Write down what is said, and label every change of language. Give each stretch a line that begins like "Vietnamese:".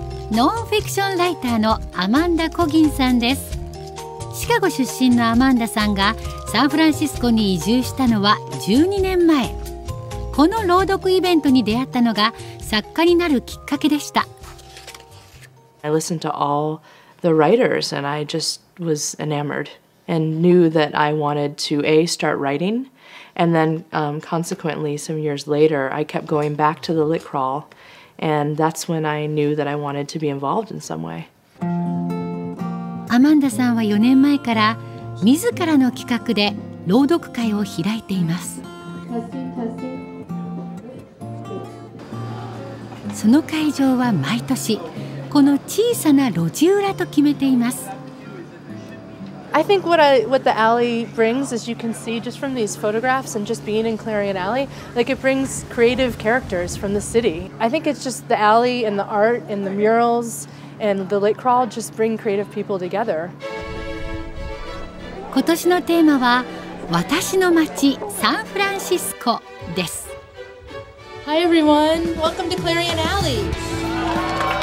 Japanese: ノンフィクションライターのアマンダ・コギンさんです。シカゴ出身のアマンダさんがサンフランシスコに移住したのは12年前。この朗読イベントに出会ったのが作家になるきっかけでした。
English: I listened to all the writers and I just was enamored and knew that I wanted to A, start writing and then consequently some years later I kept going back to the lit crawl and that's when I knew that I wanted to be involved in some way。
Japanese: アマンダさんは4年前から自らの企画で朗読会を開いています。その会場は毎年この小さな路地裏と決めています。
English: I think what the alley brings, as you can see just from these photographs and just being in Clarion Alley, like it brings creative characters from the city. I think it's just the alley and the art and the muralsAnd the lit crawl just bring creative people together.
Japanese: 今年のテーマは私の街サンフランシスコです。
English: Hi everyone, welcome to Clarion Alley.